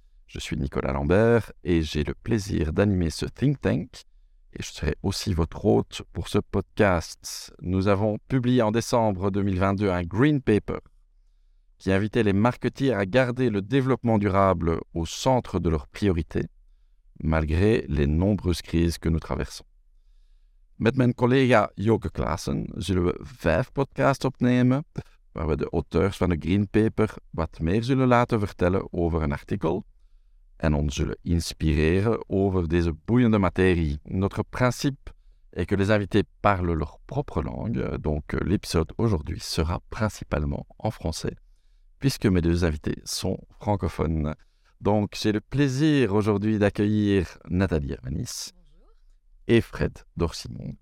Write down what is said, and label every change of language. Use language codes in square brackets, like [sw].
[fr] Je suis Nicolas Lambert et j'ai le plaisir d'animer ce Think Tank et je serai aussi votre hôte pour ce podcast. Nous avons publié en décembre 2022 un Green Paper qui invitait les marketeurs à garder le développement durable au centre de leurs priorités malgré les nombreuses crises que nous traversons. [nl] Met mijn collega Joke Klaassen zullen we 5 podcasts opnemen, waar we de auteurs van de Green Paper wat meer zullen laten vertellen over een artikel en ons zullen inspireren over deze boeiende materie. [fr] Notre principe est que les invités parlent leur propre langue, donc l'épisode aujourd'hui sera principalement en français, puisque mes deux invités sont francophones. Donc j'ai le plaisir aujourd'hui d'accueillir Nathalie Hermanis et Fred Dorsimon.